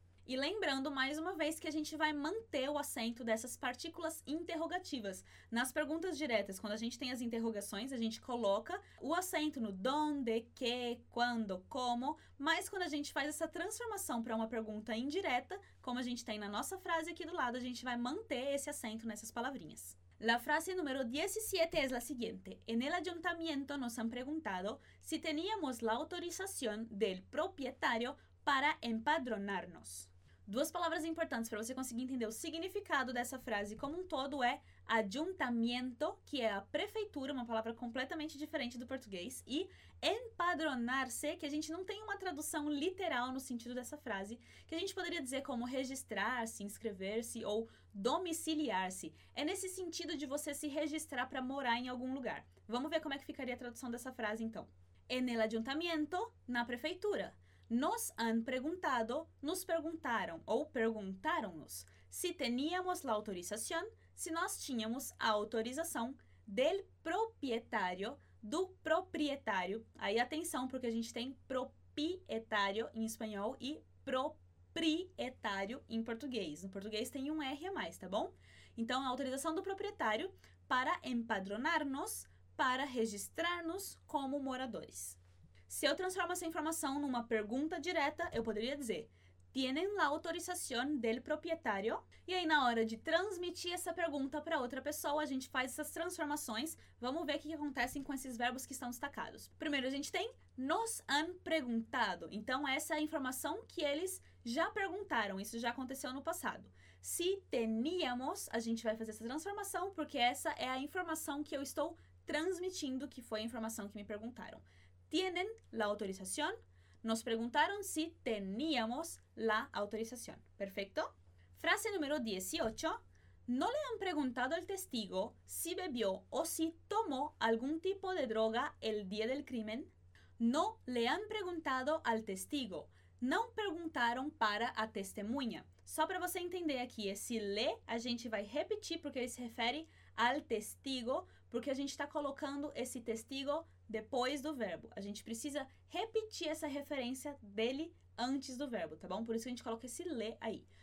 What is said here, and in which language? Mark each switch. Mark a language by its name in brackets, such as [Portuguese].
[Portuguese] E lembrando mais uma vez que a gente vai manter o acento dessas partículas interrogativas. Nas perguntas diretas, quando a gente tem as interrogações, a gente coloca o acento no donde, que, quando, como. Mas quando a gente faz essa transformação para uma pergunta indireta, como a gente tem na nossa frase aqui do lado, a gente vai manter esse acento nessas palavrinhas. [Spanish] La frase número 17 es la siguiente. En el ayuntamiento nos han preguntado si teníamos la autorización del propietario para empadronarnos. [Portuguese] Duas palavras importantes para você conseguir entender o significado dessa frase como um todo é ayuntamiento, que é a prefeitura, uma palavra completamente diferente do português, e empadronar-se, que a gente não tem uma tradução literal no sentido dessa frase, que a gente poderia dizer como registrar-se, inscrever-se ou domiciliar-se. É nesse sentido de você se registrar para morar em algum lugar. Vamos ver como é que ficaria a tradução dessa frase, então. En el ayuntamiento, na prefeitura. [Spanish] Nos han preguntado, [Portuguese] nos perguntaram ou perguntaram-nos se teníamos la autorización, se nós tínhamos a autorização del proprietário, do proprietário. Aí atenção, porque a gente tem proprietário em espanhol e proprietário em português. No português tem um R a mais, tá bom? Então, a autorização do proprietário para empadronar-nos, para registrar-nos como moradores. Se eu transformo essa informação numa pergunta direta, eu poderia dizer [Spanish] ¿Tienen la autorización del propietario? [Portuguese] E aí, na hora de transmitir essa pergunta para outra pessoa, a gente faz essas transformações. Vamos ver o que acontece com esses verbos que estão destacados. Primeiro, a gente tem nos han preguntado. Então, essa é a informação que eles já perguntaram. Isso já aconteceu no passado. Si teníamos, a gente vai fazer essa transformação, porque essa é a informação que eu estou transmitindo, que foi a informação que me perguntaram. [Spanish] ¿Tienen la autorización? Nos preguntaron si teníamos la autorización. ¿Perfecto? Frase número 18. ¿No le han preguntado al testigo si bebió o si tomó algún tipo de droga el día del crimen? No le han preguntado al testigo. [Portuguese] Não perguntaram para a testemunha. Só para você entender aqui, esse le a gente vai repetir porque ele se refere al testigo, porque a gente está colocando esse testigo depois do verbo. A gente precisa repetir essa referência dele antes do verbo, tá bom? Por isso que a gente coloca esse le aí.